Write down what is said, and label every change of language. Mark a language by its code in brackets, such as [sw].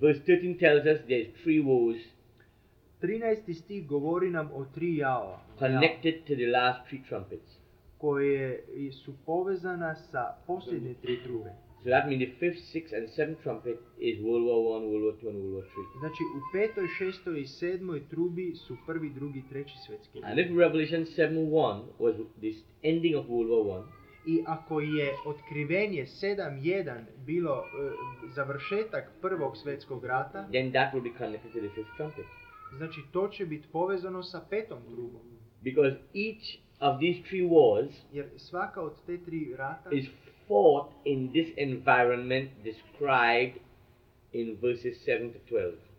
[en] Verse 13 tells us there's three woes. [hr] 13. stih govori nam o tri jaova. [en] Connected to the last three trumpets. [hr] Koje su povezana sa posljednje tri trube. [en] So that means the fifth, sixth, and seventh trumpet is World War One, World War Two, and World War Three. [hr] Znači, u petoj, šestoj i sedmoj trubi su prvi, drugi, treći svjetski rat. [en] And if Revelation 7:1 was this ending of World War One. [hr] I ako je Otkrivenje 7:1 bilo završetak prvog svjetskog rata, [en] then that will be connected to the fifth trumpet. [hr] Znači, to će biti povezano sa petom trubom. [en] Because each of these three wars, [hr] jer svaka od te tri rata, [en] is fought in this environment described in verses 7-12.